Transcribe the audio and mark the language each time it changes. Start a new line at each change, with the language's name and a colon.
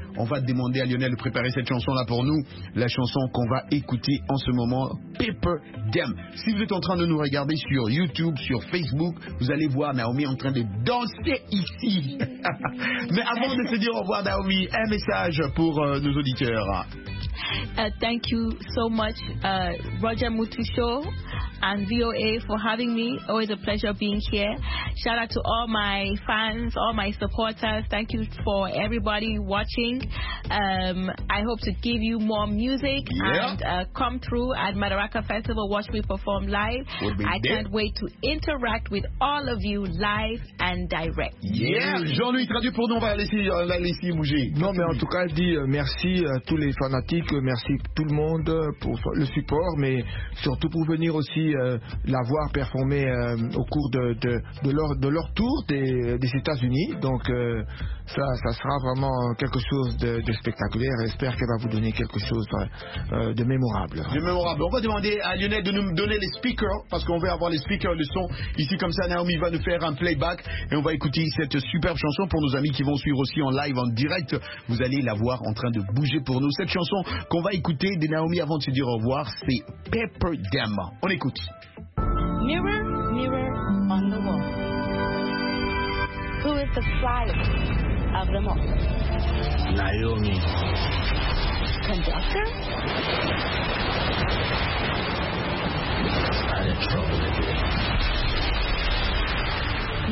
French: On va demander à Lionel de préparer cette chanson-là pour nous. La chanson qu'on va écouter en ce moment, Paper Jam. Si vous êtes en train de nous regarder sur YouTube, sur Facebook, vous allez voir Naomi en train de danser ici. Mais avant de se dire au revoir, Naomi, un message pour nos auditeurs.
English: Thank you so much, Roger Mutu Show and VOA for having me. Always a pleasure being here. Shout out to all my fans, all my supporters. Thank you for everybody watching. I hope to give you more music and come through at Madaraka Festival. Watch me perform live. Can't wait to interact with all of you live and direct.
French: Jean-Louis, traduit pour nous, on va laisser bouger. Non, mais en tout cas, je dis merci à tous les fanatiques. Merci tout le monde pour le support, mais surtout pour venir aussi la voir performer au cours de leur tour des États-Unis. Donc ça sera vraiment quelque chose de spectaculaire. J'espère qu'elle va vous donner quelque chose de mémorable. De mémorable. On va demander à Lionel de nous donner les speakers, parce qu'on veut avoir les speakers, le son ici, comme ça Naomi va nous faire un playback et on va écouter cette superbe chanson pour nos amis qui vont suivre aussi en live, en direct. Vous allez la voir en train de bouger pour nous. Cette chanson qu'on va écouter de Naomi avant de se dire au revoir, c'est Paper Jam. On écoute.
English: Mirror, mirror on the wall, who is the flyest of them all? Naomi. Conductor? I'm in trouble again.